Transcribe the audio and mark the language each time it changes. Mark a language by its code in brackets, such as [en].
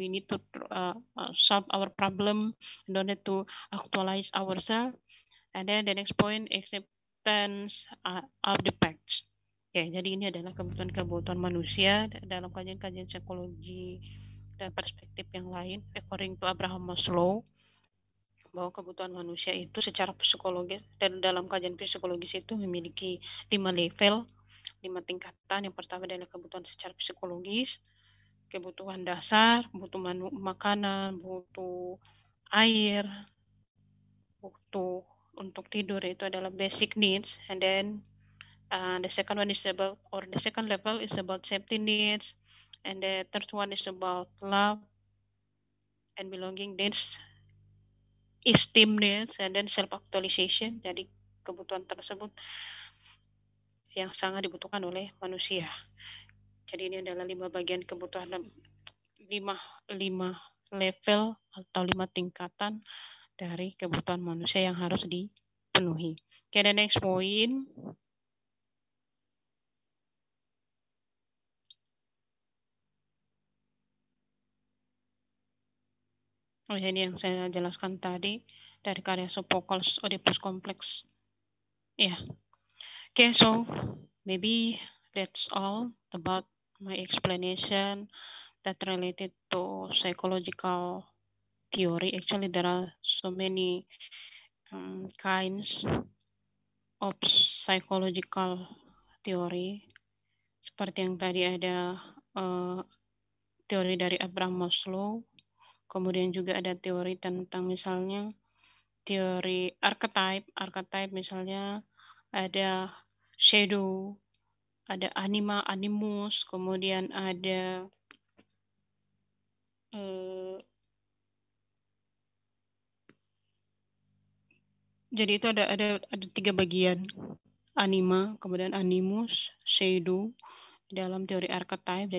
[en] We need to solve our problem in order to actualize ourselves. And then the next point, acceptance of the facts. [id] Oke, jadi ini adalah kebutuhan-kebutuhan manusia dalam kajian-kajian psikologi dan perspektif yang lain. [en] According to [id] Abraham Maslow, bahwa kebutuhan manusia itu secara psikologis dan dalam kajian psikologis itu memiliki 5 level, 5 tingkatan. Yang pertama adalah kebutuhan secara psikologis, kebutuhan dasar, butuh makanan, butuh air, butuh untuk tidur, itu adalah basic needs. [en] And then The second one is about, or the second level is about safety needs, and the third one is about love and belonging needs, esteem needs, and then self-actualization. [id] Jadi kebutuhan tersebut yang sangat dibutuhkan oleh manusia. Jadi ini adalah lima bagian kebutuhan, lima level atau lima tingkatan dari kebutuhan manusia yang harus dipenuhi. [en] Okay, the next point. [id] Oh, ini yang saya jelaskan tadi dari karya Sophocles, Oedipus Complex. Yeah. [en] Okay, so maybe that's all about my explanation that related to psychological theory. Actually, there are so many kinds of psychological theory. [id] Seperti yang tadi ada teori dari Abraham Maslow. Kemudian juga ada teori tentang misalnya teori archetype. Archetype misalnya ada shadow, ada anima, animus, kemudian ada jadi itu ada tiga bagian, anima, kemudian animus, shadow dalam teori archetype.